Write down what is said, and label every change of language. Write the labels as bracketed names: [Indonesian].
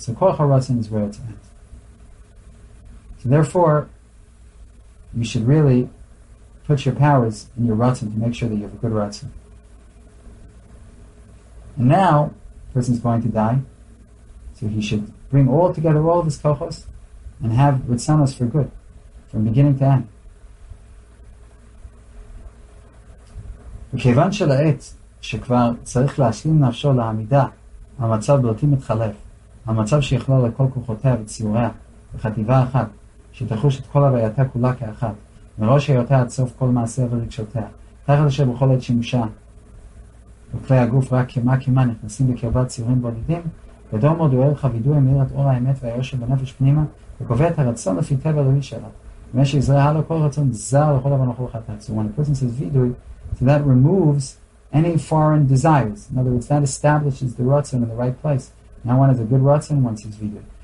[English] So koach haratzon is where it's at. So therefore, you should really put your powers in your ratzon to make sure that you have a good ratzon. And now, the person's going to die, so he should bring all together, all of his kochos, and have ratzonos for good, from beginning to end. [Hebrew] V'kevan shela'et shekvar tzarich la'ashlim nafsho la'amidah המצב בלתי מתחלף, המצב שיכלול לכל כוחותיה וציוריה, בחטיבה אחת, שתחוש את כל הווייתה כולה כאחת, מראש היותה עד סוף כל מעשיה ורגשותיה, תחת אשר בכל עת שימושה, בכלי הגוף רק כמה נכנסים בקרבת ציורים בודדים, גדול מאוד הוא ערך הווידוי אמירת אור האמת והיושר בנפש פנימה, וקובע את הרצון לפי טבע הלאומי שלה, ומה שיזרה הלו כל רצון זר לכל הבנו כל אחד תעצור. [English] When a person says vidui, so that removes any foreign desires. In other words, that establishes the ratzon in the right place. Now one has a good ratzon, one sees vidui.